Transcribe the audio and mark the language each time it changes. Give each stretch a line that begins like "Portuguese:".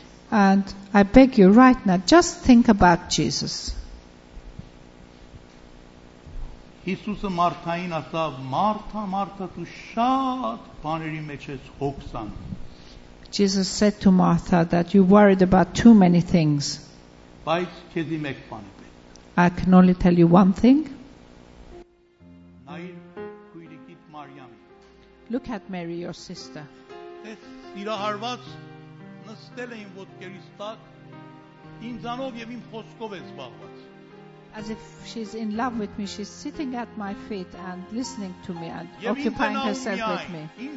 English: And I beg you right now, just think about Jesus.
Armenian: Հիսուսը մարդկային ասավ, Մարթա, Մարթա, դու շատ բաների մեջ ես հոգսան։
English: Jesus said to Martha that you worried about too many things.
Armenian: Բայց քեզի մեկ բան է պետք։
English: I can only tell you one thing.
Armenian: Նայիր քույրիկիդ Մարիամին։
English: Look at Mary, your sister.
Armenian: Ես սիրահարված նստել եմ ոտքերիս տակ, ինձանով եւ իմ խոսքով է զբաղված։
English: As if she's in love with me, she's sitting at my feet and listening to me and occupying herself with me.